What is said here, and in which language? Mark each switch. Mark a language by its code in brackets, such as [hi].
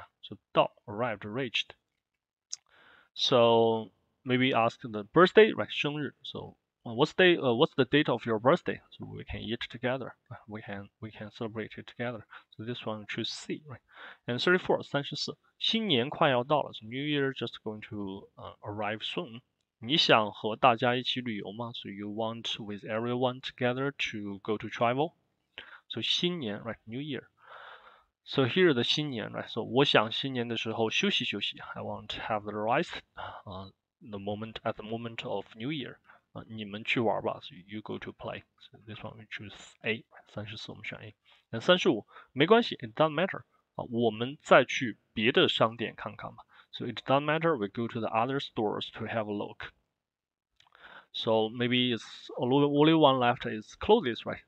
[en] So 到, arrived, reached. So maybe ask the birthday, right? 生日. So what's the date of your birthday? So we can eat together. We can celebrate it together. So this one choose C, right? And 34, 34, [zh] 新年快要到了。 [en] So New Year just going to arrive soon. [zh] 你想和大家一起旅游吗? [en] So you want with everyone together to go to travel? So 新年, right? New Year. So here the 新年, right? [zh] So 我想新年的时候休息休息。 [en] I want to have the rest at the moment of New Year. [zh] 你们去玩吧, [en] so you go to play. So this one we choose A, 34, [zh] 我们选 A. [en] And 35, [zh] 没关系, [en] it doesn't matter. [zh] 我们再去别的商店看看吧。 [en] So it doesn't matter, we go to the other stores to have a look. So maybe it's only one left is clothes, right?